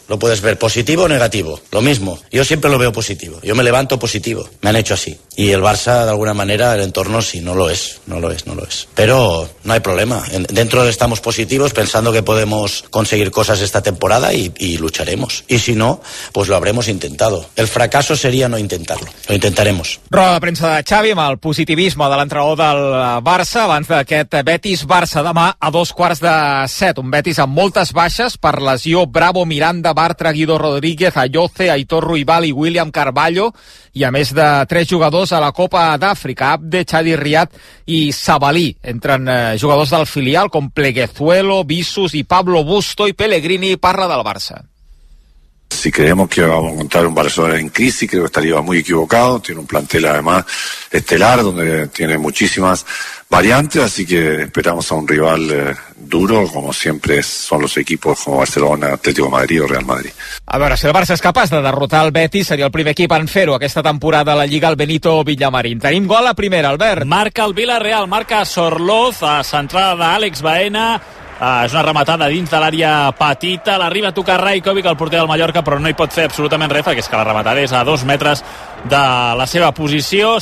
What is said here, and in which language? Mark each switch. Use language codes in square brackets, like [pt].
[es] Lo puedes ver positivo o negativo, lo mismo. Yo siempre lo veo positivo, yo me levanto positivo. Me han hecho así. Y el Barça, de alguna manera, el entorno sí, no lo es, no lo es, no lo es. Pero no hay problema. Dentro estamos positivos, pensando que podemos conseguir cosas esta temporada y lucharemos. Y si no, pues lo habremos intentado. El fracaso sería no intentarlo. Lo intentaremos. [ca] Roda de premsa de Xavi amb el positivisme de l'entrenador del Barça abans d'aquest Betis-Barça demà a 6:45. Un Betis amb moltes baixes per lesió Bravo, Miranda, Bartra, Guido Rodríguez, Ayoce, Aitor Ruibal i William Carvalho, i a més de 3 jugadors a la Copa d'Àfrica, Abde, Xavi Riad i Sabalí. Entren jugadors del filial com Pleguezuelo, Bissus i Pablo Busto, i Pellegrini parla del Barça. [es] Si creemos que vamos a encontrar un Barcelona en crisis, creo que estaría muy equivocado. Tiene un plantel además estelar donde tiene muchísimas variantes, así que esperamos a un rival duro, como siempre son los equipos como Barcelona, Atlético Madrid o Real Madrid. [ca] A veure, si el Barça és capaç de derrotar el Betis, seria el primer equip en fer-ho aquesta temporada a la Lliga al Benito Villamarín. Tenim gol a primera, Albert. Marca el Villarreal, marca Sorloz, a centrada d'Àlex Baena. És una rematada dins de l'àrea petita, l'arriba a tocar Rajkovic, el porter del Mallorca, però no hi pot fer absolutament res, perquè és que la rematada és a 2 metres de la seva posició.